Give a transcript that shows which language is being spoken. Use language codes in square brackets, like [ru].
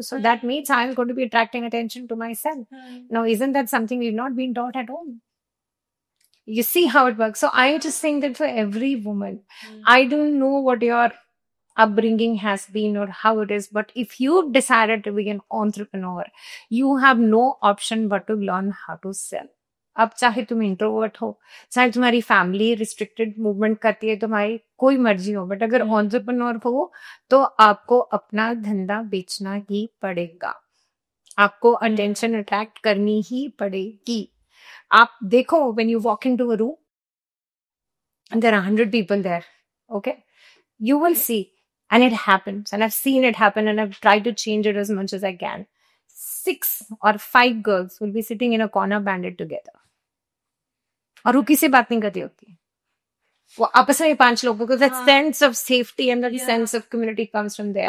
[en] So that means I'm going to be attracting attention to myself. Now, isn't that something we've not been taught at all? You see how it works. So I just think that for every woman, I don't know what your upbringing has been or how it is, but if you've decided to be an entrepreneur, you have no option but to learn how to sell. [hi] अब चाहे तुम introvert हो, चाहे तुम्हारी family restricted movement करती है, तुम्हारी कोई मर्जी हो, बट अगर एंटरप्रेन्योर हो तो आपको अपना धंधा बेचना ही पड़ेगा, आपको अटेंशन अट्रैक्ट करनी ही पड़ेगी. आप देखो [en] when you walk into a room and there are 100 people there, okay, you will see, and it happens, and I've seen it happen, and I've tried to change it as much as I can. 6 or 5 girls will be sitting in a corner banded together [hi] और वो किसी बात नहीं करती होती वो आपस में 5 लोग [en] because that sense of safety and that sense of community comes from there